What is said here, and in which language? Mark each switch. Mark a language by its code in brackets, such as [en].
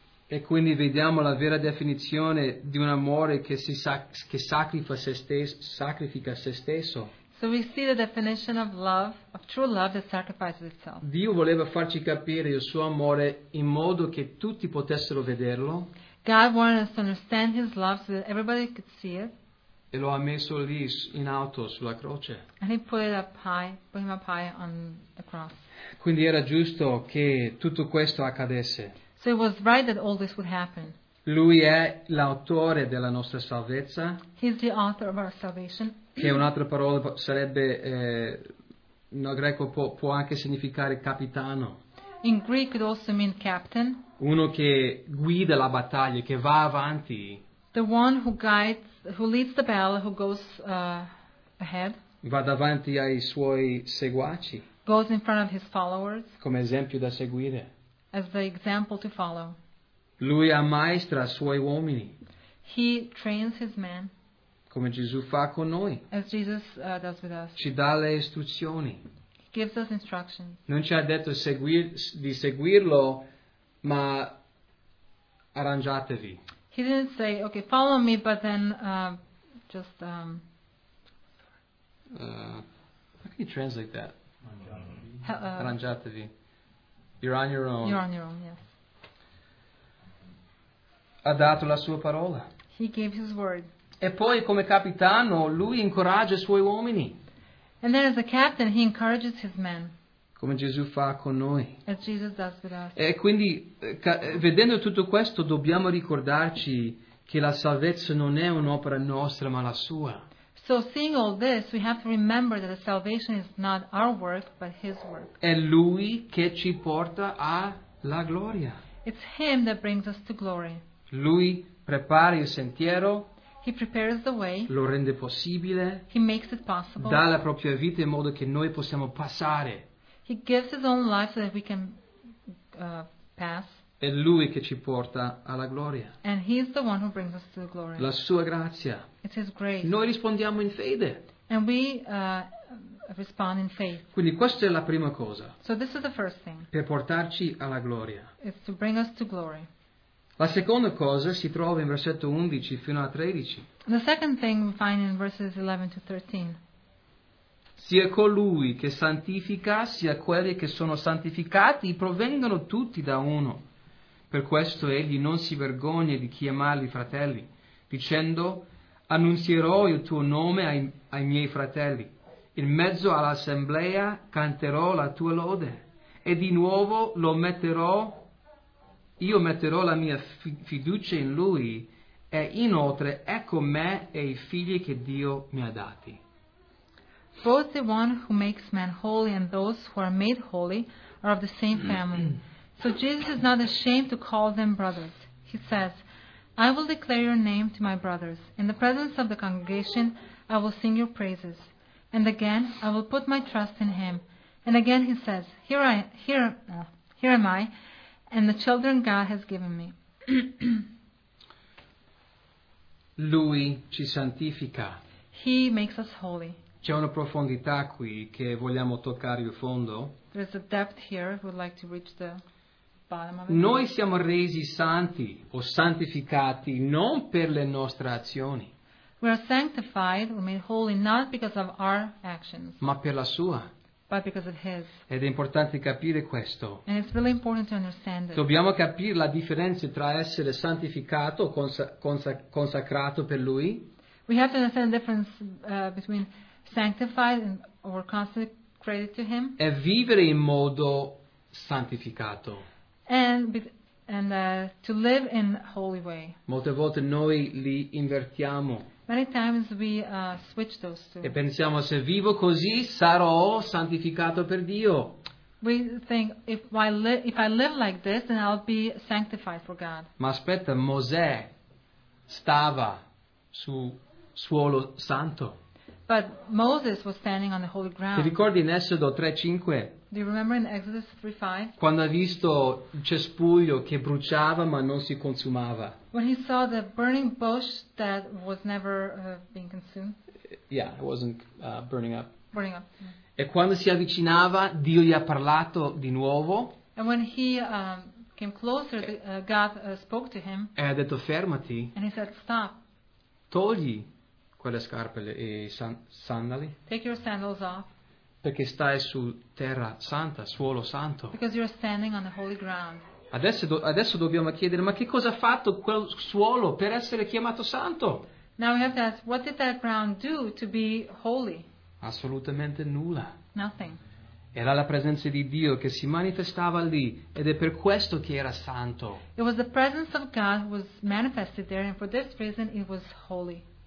[it] E quindi vediamo la vera definizione di un amore che si sacrifica se stesso. [en] So we see the definition of love, of true love that sacrifices itself. [it] Dio voleva farci capire il suo amore in modo che tutti potessero vederlo. [en] God wanted us to understand His love so that everybody could see it. [it] E lo ha messo lì in alto sulla croce. [en] And He put it up high, put Him up high on the cross. [it] Quindi era giusto che tutto questo accadesse. [en] So it was right that all this would happen. [it] Lui è l'autore della nostra salvezza. [en] He's the author of our salvation. [it] Che un'altra parola sarebbe, no, greco può anche significare capitano. [en] In Greek it also means captain. [it] Uno che guida la battaglia, che va avanti. [en] The one who guides, who leads the battle, who goes ahead. [it] Va davanti ai suoi seguaci. [en] Goes in front of his followers. [it] Come esempio da seguire. [en] As the example to follow. [it] Lui ammaestra i suoi uomini. [en] He trains his men. [it] Come Gesù fa con noi. [en] As Jesus does with us. [it] Ci dà le istruzioni. [en] He gives us instructions. [it] Non ci ha detto di seguirlo, ma arrangiatevi. [en] He didn't say, okay, follow me, but then just... How can you translate that? Arrangiatevi. You're on your own. You're on your own, yes. [it] Ha dato la sua parola. [en] He gave his word. [it] E poi come capitano lui incoraggia i suoi uomini. [en] And then as a captain he encourages his men. [it] Come Gesù fa con noi. [en] As Jesus does with us. [it] E quindi vedendo tutto questo dobbiamo ricordarci che la salvezza non è un'opera nostra ma la sua. [en] So seeing all this we have to remember that the salvation is not our work but his work. [it] È lui che ci porta alla gloria. [en] It's him that brings us to glory. [it] Lui prepara il sentiero. [en] He prepares the way. [it] Lo rende possibile. [en] He makes it possible. [it] Dà la propria vita in modo che noi possiamo passare. [en] He gives his own life so that we can pass. [it] È lui che ci porta alla gloria. [en] And he is the one who brings us to the glory. [it] La sua grazia. [en] It's his grace. [it] Noi rispondiamo in fede. [en] And we respond in faith. [it] Quindi questa è la prima cosa. [en] So this is the first thing. [it] Per portarci alla gloria. [en] It's to bring us to glory. [it] La seconda cosa si trova in versetto 11 fino a 13. [en] The second thing we find in verses 11 to 13. [it] Sia colui che santifica, sia quelli che sono santificati, provengono tutti da uno. Per questo egli non si vergogna di chiamarli fratelli, dicendo, annunzierò il tuo nome ai miei fratelli. In mezzo all'assemblea canterò la tua lode, e di nuovo lo metterò. Io metterò la mia fiducia in Lui e inoltre ecco me e i figli che Dio mi ha dati. [en] Both the one who makes man holy and those who are made holy are of the same family. So Jesus is not ashamed to call them brothers. He says, I will declare your name to my brothers. In the presence of the congregation, I will sing your praises. And again, I will put my trust in Him. And again He says, Here am I. And the children God has given me. [it] Lui ci santifica. [en] He makes us holy. [it] C'è una profondità qui che vogliamo toccare il fondo. [en] There's a depth here. We'd like to reach the bottom of it. [it] Noi siamo resi santi o santificati non per le nostre azioni. [en] We are sanctified, we're made holy, not because of our actions. [it] Ma per la sua. [en] But because of his. [it] Ed è importante capire questo. [en] And it's really important to understand it. [it] Dobbiamo capire la differenza tra essere santificato o consacrato per lui. [en] We have to understand the difference between sanctified and or consecrated to him. [it] E vivere in modo santificato. [en] And to live in holy way. [it] Molte volte noi li invertiamo. [en] Many times we switch those two. [it] E pensiamo se vivo così sarò santificato per Dio. [en] We think if I live like this then I'll be sanctified for God. [it] Ma aspetta, Mosè stava su suolo santo. [en] But Moses was standing on the holy ground. [it] Ti ricordi in Esodo 3:5? [en] Do you remember in Exodus 3:5? [it] Quando ha visto il cespuglio che bruciava ma non si consumava. [en] When he saw the burning bush that was never being consumed. Yeah, it wasn't burning up. Burning up. [it] E quando si avvicinava, Dio gli ha parlato di nuovo. [en] And when he came closer, God spoke to him. [it] E ha detto fermati. [en] And he said stop. [it] Togli quelle scarpe e sandali. [en] Take your sandals off. [it] Perché stai su terra santa, suolo santo. [en] Because you're standing on the holy ground. [it] Adesso dobbiamo chiedere, ma che cosa ha fatto quel suolo per essere chiamato santo? [en] Now we have to ask, what did that ground do to be holy? [it] Assolutamente nulla. [en] Nothing. [it] Era la presenza di Dio che si manifestava lì ed è per questo che era santo. [en] It was the presence of God who was manifested there and for this reason it was holy.